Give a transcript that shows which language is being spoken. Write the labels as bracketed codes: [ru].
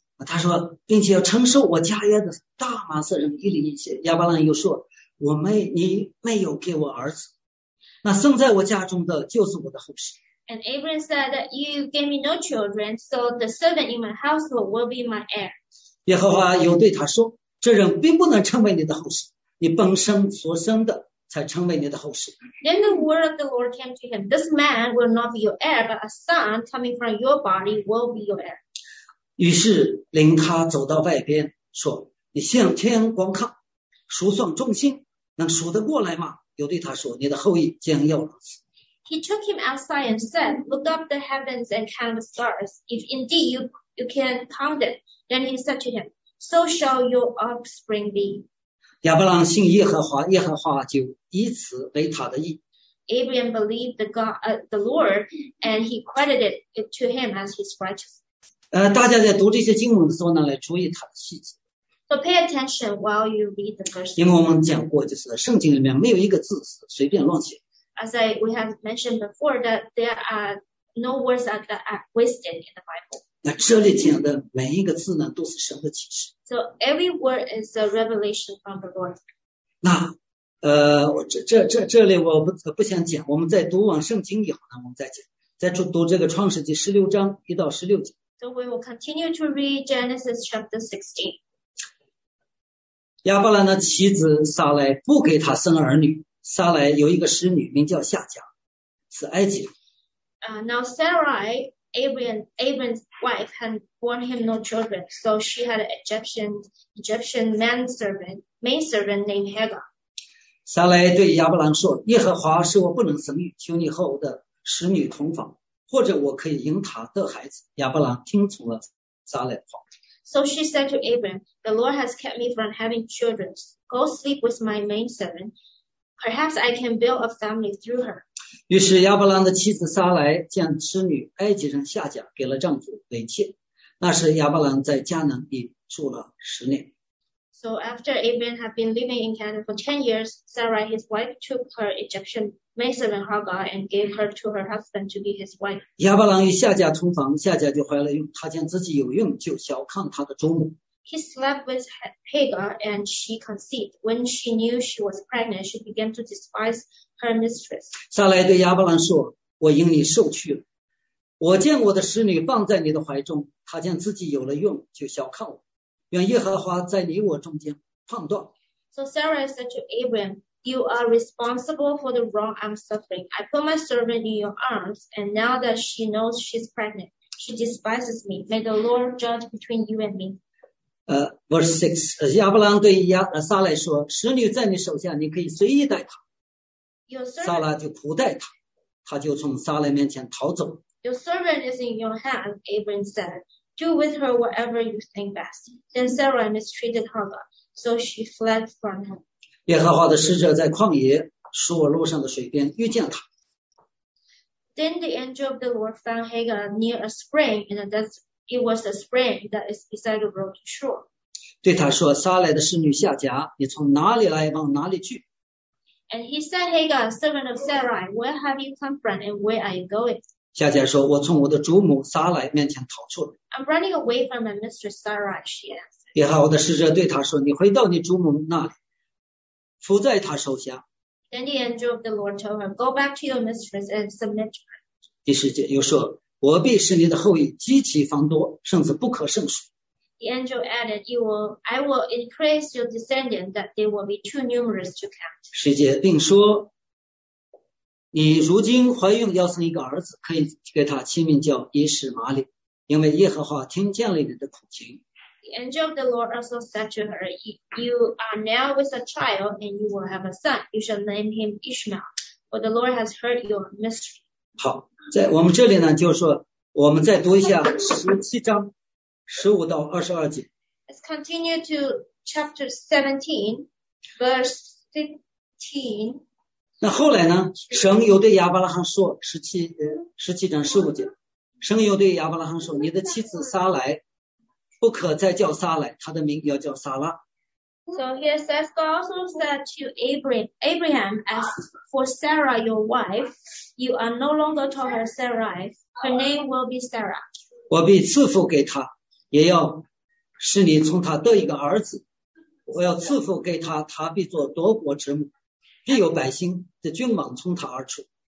[zh] 他说，并且要承受我家业的大马色人伊利一些。亚伯兰又说：“你没有给我儿子，那生在我家中的就是我的后世。” [en] And Abraham said that you gave me no children, so the servant in my household will be my heir. [zh] 耶和华又对他说，这人并不能称为你的后世，你本身所生的才称为你的后世。 [en] Then the word of the Lord came to him, this man will not be your heir, but a son coming from your body will be your heir. [zh] 于是领他走到外边说，你向天观看，数算众星，能数得过来吗？又对他说，你的后裔将要如此。 [en] He took him outside and said, "Look up the heavens and count the stars. If indeed you can count them," then he said to him, "So shall your offspring be." [zh] 亚伯兰信耶和华，耶和华就以此为他的义。 [en] Abraham believed the God, the Lord, and he credited it to him as his righteousness. [zh] 大家在读这些经文的时候呢，来注意它的细节。 [en] So pay attention while you read the verse. [zh] 因为我们讲过，就是圣经里面没有一个字是随便乱写。 [en] As we have mentioned before, that there are no words that are wasted in the Bible. [zh] 那这里讲的每一个字呢，都是神的启示。 [en] So every word is a revelation from the Lord. 那 [zh] 这里我们不想讲，我们再读完圣经以后呢，我们再讲，再读这个创世纪十六章一到十六节。 [en] So we will continue to read Genesis chapter 16. [zh] 亚伯兰的妻子撒来不给他生儿女，撒来有一个使女名叫夏甲，是埃及人。 [en] Now Sarai, Abram's wife, had borne him no children, so she had an Egyptian maidservant named Hagar. [zh] 撒来对亚伯兰说：“耶和华使我不能生育，求你和我的使女同房，或者我可以迎他的孩子。” 亚伯兰听从了撒来的话。 [en] So she said to Abram, "The Lord has kept me from having children. Go sleep with my maidservant. Perhaps I can build a family through her." [zh] 于是亚伯兰的妻子撒来见使女埃及人夏甲，给了丈夫为妾。那时亚伯兰在迦南地住了十年。 [en] So after Abram had been living in Canaan for 10 years, Sarai, his wife, took her Egyptian maidservant Hagar and gave her to her husband to be his wife. [zh] 亚伯兰与夏甲同房，夏甲就怀了孕，他见自己有孕，就小看他的中母。 [en] He slept with Hagar and she conceived. When she knew she was pregnant, she began to despise her mistress. [zh] 撒来对亚伯兰说，我因你受屈了。我见我的使女放在你的怀中，她见自己有了孕，就小看我。愿耶和华在你我中间判断。 [en] So Sarah said to Abram, "You are responsible for the wrong I'm suffering. I put my servant in your arms, and now that she knows she's pregnant, she despises me. May the Lord judge between you and me." Verse 6. [zh] 亚伯兰对撒来说，使女在你手下，你可以随意待她。撒拉就仆待她，她就从撒来面前逃走。 [en] Your servant is in your hand, Abram said. Do with her whatever you think best. Then Sarah mistreated Hagar, so she fled from him. [zh] 耶和华的使者在旷野使我路上的水边遇见他。 [en] Then the angel of the Lord found Hagar near a spring, and that it was a spring that is beside the road to shore. [zh] 对他说：“撒来的侍女夏甲，你从哪里来，往哪里去？” [en] And he said, Hagar, servant of Sarai, where have you come from, and where are you going? [zh] 夏甲说，我从我的主母撒来面前逃出来。 [en] I'm running away from my mistress Sarai, she asked. [zh] 耶和华的使者对他说，你回到你主母那里，伏在他手下。 [en] Then the angel of the Lord told her, go back to your mistress and submit to her. [zh] 第十节又说，我必使你的后裔极其繁多，甚至不可胜数。 [en] The angel added, I will increase your descendant that they will be too numerous to count. [zh] 十节并说，你如今怀孕要生一个儿子，可以给他起名叫以实玛利，因为耶和华听见了你的苦情。 [en] The angel of the Lord also said to her, "You are now with a child, and you will have a son. You shall name him Ishmael, for the Lord has heard your mystery." [zh] 好，在我们这里呢，就是说，我们再读一下十七章十五到二十二节。 [en] Let's continue to chapter 17, verse 15. [zh] 那后来呢，神又对亚伯拉罕说，十七章十五节，神又对亚伯拉罕说，你的妻子撒来不可再叫撒来，她的名要叫撒拉。 [en] So here says, God also said to Abraham, as for Sarah, your wife, you are no longer to her Sarai, her name will be Sarah. [zh] 我必赐福给她，也要使你从她得一个儿子，我要赐福给她，她必做多国之母。必有百姓的君王从她而出。